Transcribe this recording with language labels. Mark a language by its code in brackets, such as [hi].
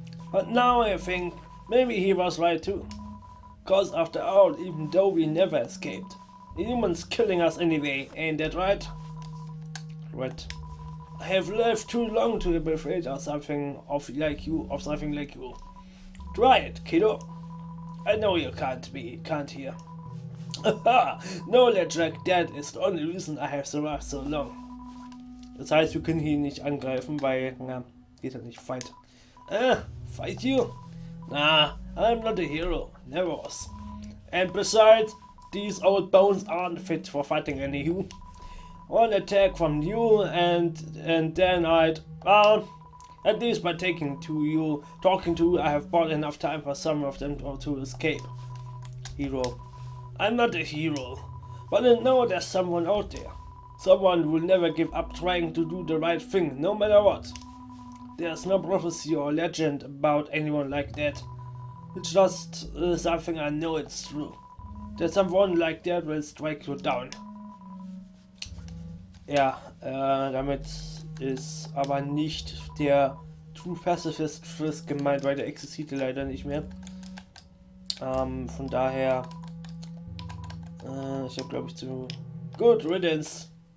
[en] But now I think maybe he was right too. Cause after all, even though we never escaped, the humans killing us anyway, ain't that right? Right. I have lived too long to be afraid of something of like you, of something like you. Try it, kiddo. I know you can't hear. Knowledge like that is the only reason I have survived so long. [de] Das heißt, wir können ihn nicht angreifen, weil, na, geht er nicht fight. [en] Fight you? Nah, I'm not a hero. Never was. And besides, these old bones aren't fit for fighting anywho. One attack from you and then I'd, well, at least by talking to you, I have bought enough time for some of them to escape. Hero. I'm not a hero, but I know there's someone out there. Someone will never give up trying to do the right thing, no matter what. There's no prophecy or legend about anyone like that. It's just something I know it's true. That someone like that will strike you down. [de] Ja, damit ist aber nicht der True Pacifist Frisk gemeint, weil der existiert leider nicht mehr. Von daher. Ich habe glaube ich zu. [en] Good riddance!